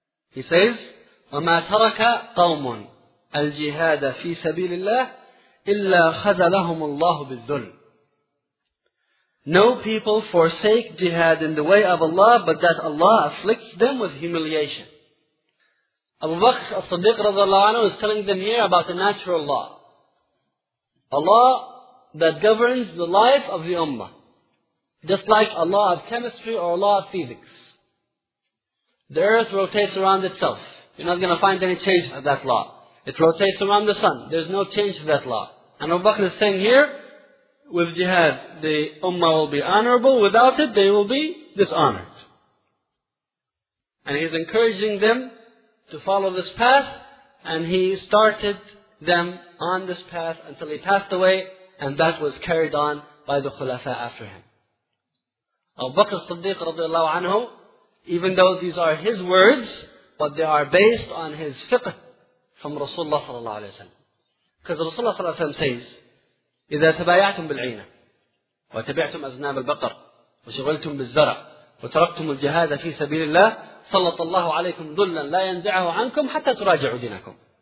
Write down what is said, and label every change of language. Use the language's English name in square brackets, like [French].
[English] He says, [Arabic] وَمَا تَرَكَ قَوْمٌ الْجِهَادَ فِي سَبِيلِ اللَّهِ إِلَّا خَذَ لَهُمُ اللَّهُ بِالذُّلِ. [English] No people forsake jihad in the way of Allah, but that Allah afflicts them with humiliation. Abu Bakr as-Siddiq radiallahu anhu is telling them here about a natural law. A law that governs the life of the ummah. Just like a law of chemistry or a law of physics. The earth rotates around itself. You're not going to find any change of that law. It rotates around the sun. There's no change to that law. And Abu Bakr is saying here, with jihad, the ummah will be honorable. Without it, they will be dishonored. And he's encouraging them to follow this path. And he started them on this path until he passed away. And that was carried on by the khulafa after him. Abu Bakr as-Siddiq radiallahu anhu, even though these are his words, but they are based on his fiqh from Rasulullah sallallahu alayhi wa sallam. Because Rasulullah sallallahu alayhi wa sallam says, [Arabic] إذا تبايعتم بالعينة وتبعتم أذناب البقر وشغلتم بالزرع وتركتم الجهاد في سبيل الله سلط الله عليكم ذلا لا ينزعه عنكم حتى تراجعوا دينكم.